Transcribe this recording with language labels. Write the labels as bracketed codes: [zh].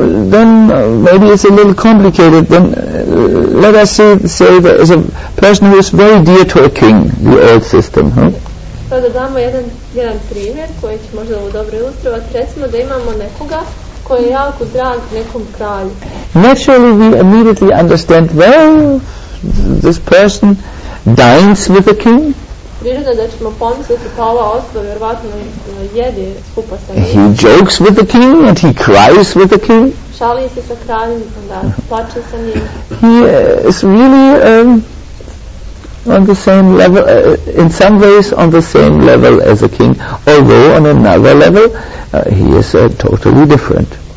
[en] Then maybe it's a little complicated. Then let us say there is a person who is very dear to a king, the old system, huh? [bs] Sada damo jedan primjer koji će možda ovo dobro ilustrovati. Recimo da imamo nekoga koji je jako drag nekom kralju. [en] Naturally we immediately understand, well, this person dines with the king. [bs] Prirodno da ćemo pomisliti pa ova osoba vjerovatno jede skupa sa njim. [en] He jokes with the king and he cries with the king. [bs] šali se sa kraljem, onda plače sa njim. [en] He is really on the same level, in some ways on the same level as a king, although on another level he is totally different.